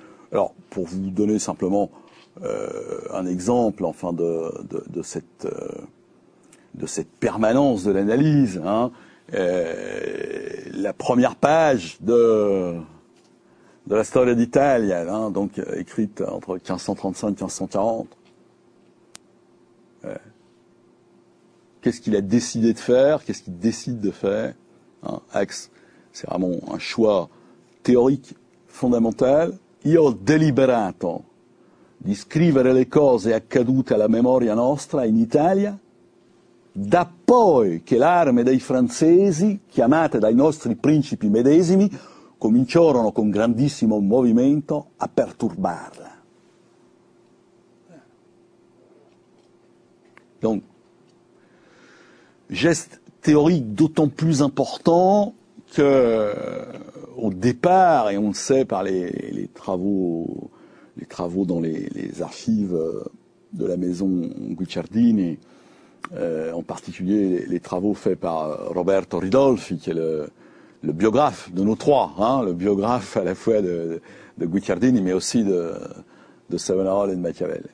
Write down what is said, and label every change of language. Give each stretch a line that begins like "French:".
French: Alors, pour vous donner simplement un exemple, enfin, de cette permanence de l'analyse, hein, la première page de la Storia d'Italia, hein, donc écrite entre 1535 et 1540, qu'est-ce qu'il a décidé de faire, qu'est-ce qu'il décide de faire, hein, axe, c'est vraiment un choix théorique fondamental.
Italian: Io ho deliberato di scrivere le cose accadute alla memoria nostra in Italia, da poi che l'arme dei francesi, chiamate dai nostri principi medesimi, cominciarono con grandissimo movimento a perturbarla.
French: Donc, geste théorique d'autant plus important que. Au départ, et on le sait par les travaux dans les archives de la maison Guicciardini, en particulier les travaux faits par Roberto Ridolfi, qui est le biographe de nos trois, hein, le biographe à la fois de Guicciardini, mais aussi de Savonarole et de Machiavel.